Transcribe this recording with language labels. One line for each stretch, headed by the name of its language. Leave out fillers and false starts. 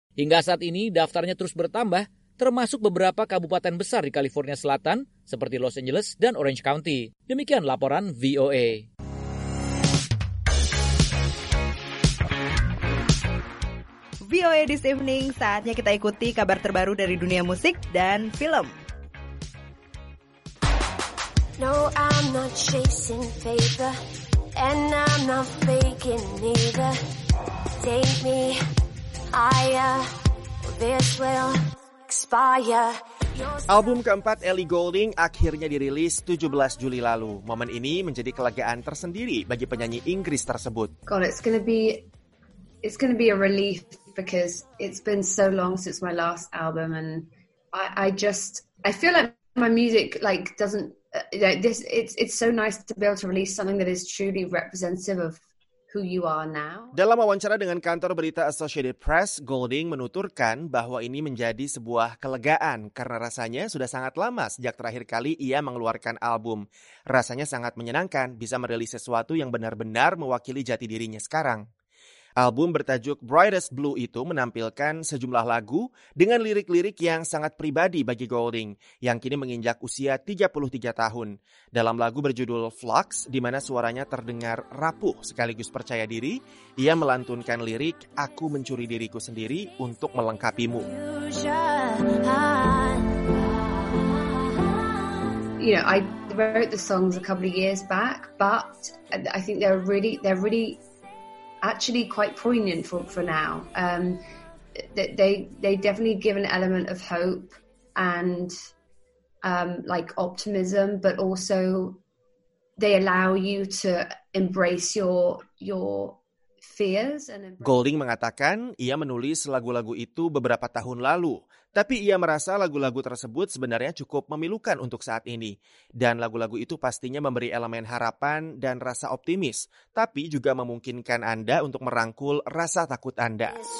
Indonesian: Hingga saat ini daftarnya terus bertambah, termasuk beberapa kabupaten besar di California Selatan, seperti Los Angeles dan Orange County. Demikian laporan VOA. VOA This Evening, saatnya kita ikuti kabar terbaru dari dunia musik dan film.
English: No, I'm not chasing paper, and I'm not faking neither. Take me higher, this will...
Indonesian: Album keempat Ellie Goulding akhirnya dirilis 17 Juli lalu. Momen ini menjadi kelegaan tersendiri bagi penyanyi Inggris tersebut.
English: God, it's gonna be a relief because it's been so long since my last album and I feel like my music like doesn't like this. It's so nice to be able to release something that is truly representative of who you are now.
Indonesian: Dalam wawancara dengan kantor berita Associated Press, Golding menuturkan bahwa ini menjadi sebuah kelegaan karena rasanya sudah sangat lama sejak terakhir kali ia mengeluarkan album. Rasanya sangat menyenangkan bisa merilis sesuatu yang benar-benar mewakili jati dirinya sekarang. Album bertajuk Brightest Blue itu menampilkan sejumlah lagu dengan lirik-lirik yang sangat pribadi bagi Golding, yang kini menginjak usia 33 tahun. Dalam lagu berjudul Flux, di mana suaranya terdengar rapuh sekaligus percaya diri, ia melantunkan lirik, "Aku mencuri diriku sendiri untuk melengkapimu."
English: You know, I wrote the songs a couple of years back, but I think they're really actually quite poignant for now. They definitely give an element of hope and like optimism, but also they allow you to embrace your fears and embrace.
Indonesian: Golding mengatakan ia menulis lagu-lagu itu beberapa tahun lalu, tapi ia merasa lagu-lagu tersebut sebenarnya cukup memilukan untuk saat ini. Dan lagu-lagu itu pastinya memberi elemen harapan dan rasa optimis, tapi juga memungkinkan Anda untuk merangkul rasa takut Anda.